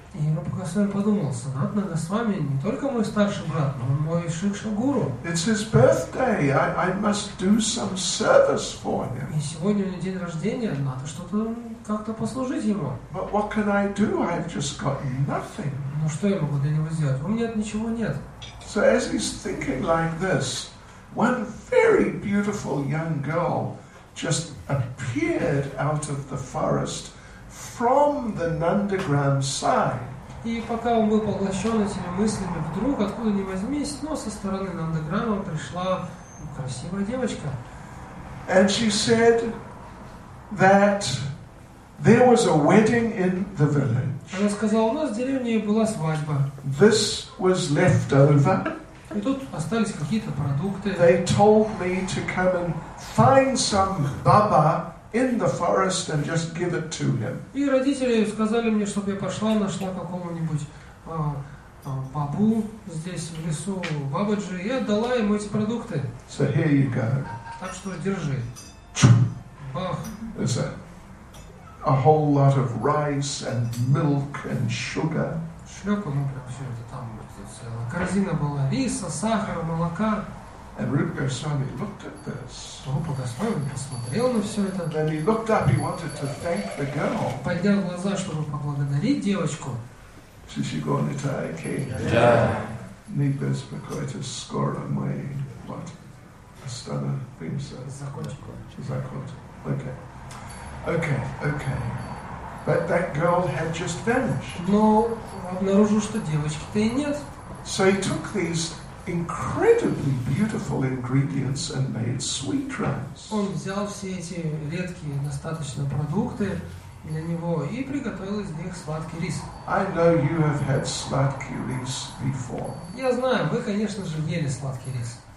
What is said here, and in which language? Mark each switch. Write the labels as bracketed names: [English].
[Russian] И Рупа Госвами подумал, Санатана Госвами не только мой старший брат, но мой Шикша Гуру. [English] It's his birthday, I must do some service for him. [Russian] И сегодня у него день рождения, надо что-то как-то послужить ему. [English] But what can I do? I've just got nothing. [Russian] Ну что я могу для него сделать? У меня ничего нет. [English] So as he's thinking like this, one very beautiful young girl just appeared out of the forest from the Nandagram side. [Russian] И пока он был поглощен этими мыслями, вдруг, откуда ни возьмись, но со стороны Нандаграма пришла красивая девочка. [English] And she said that there was a wedding in the village. [Russian] Она сказала, у нас в деревне была свадьба. [English] This was left over. [Russian] И тут остались какие-то продукты. [English] They told me to come and find some baba in the forest and just give it to him. [Russian] И родители сказали мне, чтобы я пошла, нашла какого-нибудь бабу здесь в лесу, бабаджи, и отдала им эти продукты. [English] So here you go. [Russian] Так что держи. Бах. [English] A whole lot of rice and milk and sugar. [Russian] Шлёпка, ну прям всё это там, целая корзина была риса, сахара, молока. [English] And Rupa Goswami looked at this. [Russian] Рупа Госвами посмотрел на всё это. [English] Then he looked up. He wanted to thank the girl. [Russian] Поднял глаза, чтобы поблагодарить девочку. Шишигонитай кей. Да. Нипес покойте скоро мой. What? Астана Пимса. Закончил. Закончил. Okay. Okay. [English] But that girl had just vanished. [Russian] Но обнаружил, что девочки-то и нет. [English] So he took these incredibly beautiful ingredients and made sweet rice. [Russian] Он взял все эти редкие достаточно продукты для него и приготовил из них сладкий рис. [English] I know you have had [Russian] сладкий рис [English] before. [Russian] Я знаю, вы, конечно же, ели сладкий рис.